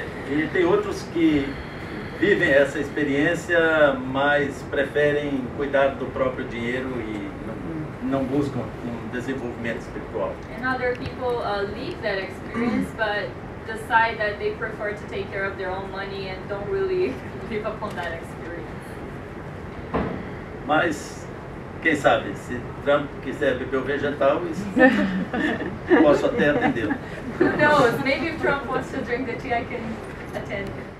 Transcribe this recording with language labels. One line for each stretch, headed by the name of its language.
Portuguese: E tem outros que vivem essa experiência, mas preferem cuidar do próprio dinheiro e não buscam um desenvolvimento espiritual.
English: And other people leave that experience, but decide that they prefer to take care of their own money and don't really live upon that experience.
Portuguese: Mas, quem sabe, se Trump quiser beber o vegetal, posso até atendê-lo.
English: Who knows? Maybe if Trump wants to drink the tea, I can attend.